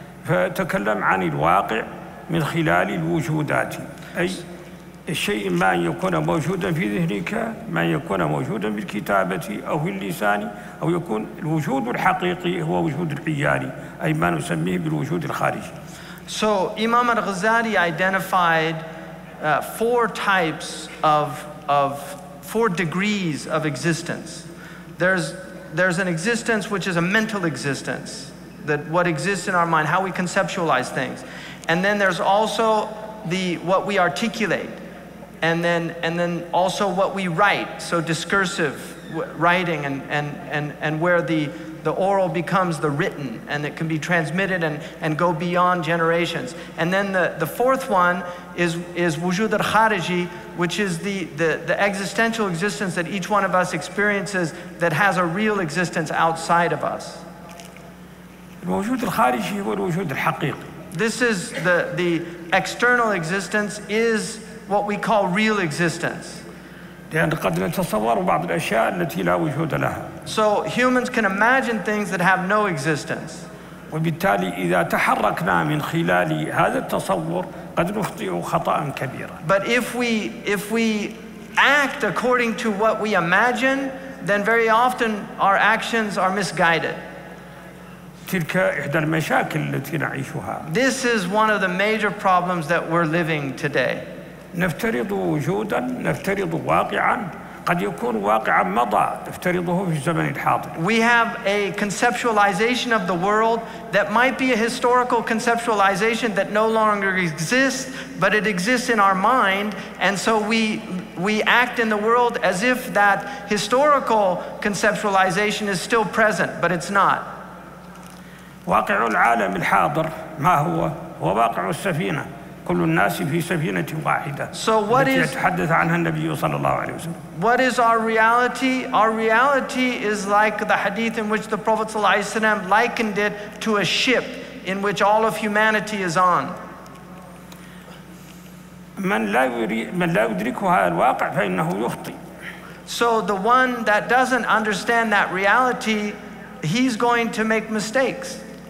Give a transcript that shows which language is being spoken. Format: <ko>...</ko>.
<ar>فتكلم عن الواقع من خلال الوجودات، أي الشيء ما يكون موجودا في ذهنك، ما يكون موجودا في الكتابة أو في اللسان، أو يكون الوجود الحقيقي هو وجود العيان، أي ما نسميه بالوجود الخارجي.</ar> <en>So Imam al-Ghazali identified four types of four degrees of existence. There's an existence which is a mental existence, that what exists in our mind, how we conceptualize things. And then there's also the what we articulate, and then also what we write, so discursive writing and where the oral becomes the written, and it can be transmitted and go beyond generations. And then the fourth one is wujud al-khariji, which is the existential existence that each one of us experiences that has a real existence outside of us.</en> <ar>الوجود الخارجي هو الوجود الحقيقي.</ar> <en>This is the external existence is what we call real existence.</en> <ar>لأن قد نتصور بعض الأشياء التي لا وجود لها.</ar> <en>So humans can imagine things that have no existence.</en> <ar>وبالتالي إذا تحركنا من خلال هذا التصور قد نخطئ خطأ كبيرا.</ar> <en>But if we act according to what we imagine, then very often our actions are misguided.</en> <ar>تلك إحدى المشاكل التي نعيشها.</ar> <en>This is one of the major problems that we're living today.</en> <ar>نفترض وجودا، نفترض واقعا، قد يكون واقعا مضى افترضه في الزمن الحاضر.</ar> <en>We have a conceptualization of the world that might be a historical conceptualization that no longer exists, but it exists in our mind, and so we act in the world as if that historical conceptualization is still present, but it's not.</en> <ar>واقع العالم الحاضر ما هو؟ هو واقع السفينة. كل الناس في سفينة واحدة.</ar> <en>So what is</en> <ar>يتحدث عنها النبي صلى الله عليه وسلم.</ar> <en>What is our reality? Our reality is like the hadith in which the Prophet</en> <ar>صلى الله عليه وسلم</ar> <en>likened it to a ship in which all of humanity is on.</en> <ar>من لا يدرك هذا الواقع فإنه يخطئ.</ar> <en>So the one that doesn't understand that reality, he's going to make mistakes.</en>